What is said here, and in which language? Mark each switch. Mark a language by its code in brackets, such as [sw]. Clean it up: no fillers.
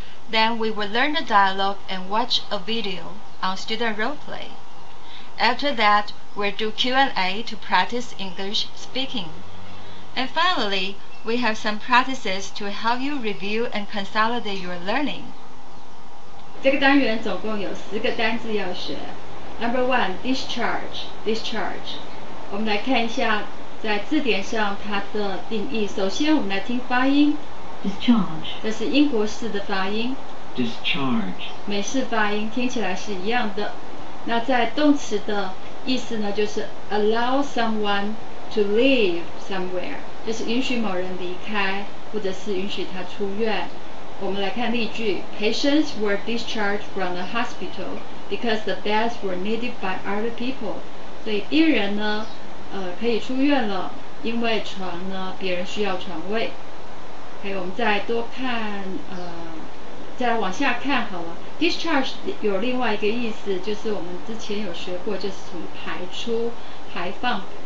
[en] Then we will learn the dialogue and watch a video on student role play. After that,We'll do Q&A to practice English speaking. And finally, we have some practices to help you review and consolidate your learning. [zh] 这个单元总共有十个单字要学。 [en] Number one, discharge, discharge. [zh] 我们来看一下在字典上它的定义。首先我们来听发音。 [en] Discharge. [zh] 这是英国式的发音。 [en] Discharge. [zh] 美式发音听起来是一样的。那在动词的意思呢，就是 [en] allow someone to leave somewhere， [zh] 就是允许某人离开，或者是允许他出院。我们来看例句 [en] ：Patients were discharged from the hospital because the beds were needed by other people。 [zh] 所以病人呢，可以出院了，因为床呢，别人需要床位。 OK， 我们再多看，再往下看好了。 Discharge 有另外一个意思，就是我们之前有学过，就是从排出、排放。